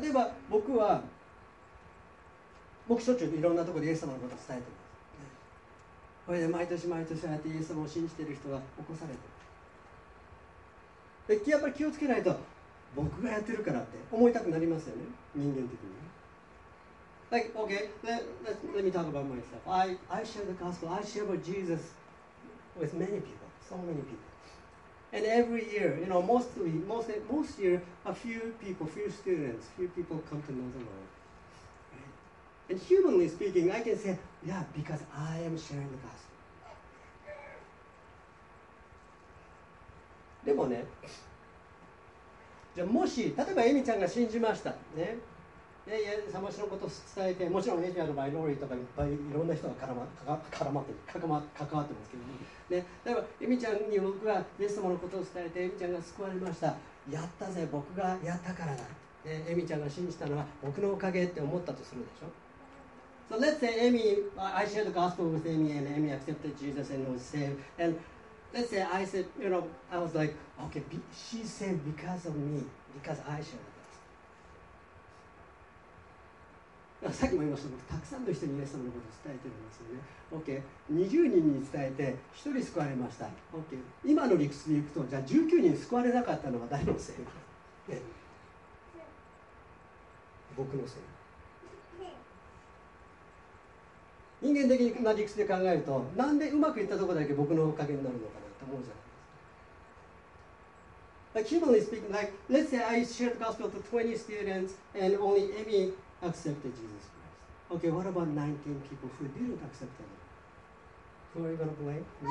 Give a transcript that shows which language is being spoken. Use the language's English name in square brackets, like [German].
[Japanese] 例えば僕は、僕しょっちゅういろんなところでイエス様のことを伝えてます。これで毎年毎年そうやってイエス様を信じている人が起こされて、でやっぱり気をつけないと僕がやってるからって思いたくなりますよね、人間的に。 [English] Like, okay, let me talk about myself. I share the gospel, I share about Jesus with many people, so many people. And every year, you know, most year, a few people, few students, few people come to know the Lord. And humanly speaking, I can say, yeah, because I am sharing the gospel. [Japanese] でもね、じゃあもし、例えばエミちゃんが信じましたね。で、イエス様のことを伝えて、もちろんエミアの場合、ローリーとかいっぱいいろんな人が関わってますけどね。で、例えばエミちゃんに僕がイエス様のことを伝えて、エミちゃんが救われました。やったぜ、僕がやったからだ。で、エミちゃんが信じたのは僕のおかげって思ったとするでしょ。 [English] So let's say Amy, I shared the gospel with Amy and Amy accepted Jesus and was saved. And let's say I said, you know, I was like, okay, she's saved because of me, because I shared the gospel. [Japanese] さっきも言いましたけど、たくさんの人にイエス様のことを伝えてるんですよね。 Okay, 20人に伝えて1人救われました。Okay, 今の理屈でいくと、じゃあ19人救われなかったのは誰のせい？僕のせい。人間的な理屈で考えると、なんでうまくいったところだけ僕のおかげになるのかなと思うじゃないですか。 [English] Like, humanly speaking, like, let's say I shared the gospel to 20 students and only Amy accepted Jesus Christ. Okay, what about 19 people who didn't accept him? Who are you going to blame?